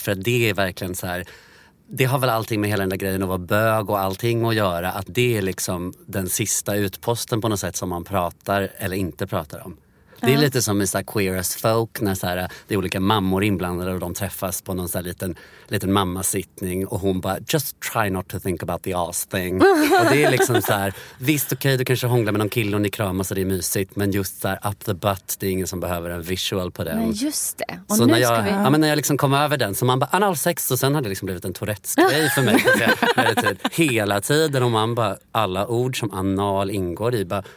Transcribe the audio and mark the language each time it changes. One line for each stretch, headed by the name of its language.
Swedish: För det är verkligen så här. Det har väl allting med hela den där grejen att vara bög och allting att göra. Att det är liksom den sista utposten på något sätt som man pratar eller inte pratar om. Uh-huh. Det är lite som i så här queer as folk när så här, det är olika mammor inblandade och de träffas på någon så här liten mammasittning. Och hon bara,
English: just try not to think about the ass thing.
Swedish: Och det är liksom så här, visst okej, du kanske hånglar med någon kille och ni kramar så det är mysigt. Men just så här,
English: up the butt,
Swedish: det är ingen som behöver en visual på den. Men just det. Och så nu när jag, ska vi... Ja, när jag liksom kom över den så man bara, anal sex. Och sen hade det liksom blivit en Tourette-grej för mig. hela tiden och man bara, alla ord som anal ingår i, bara...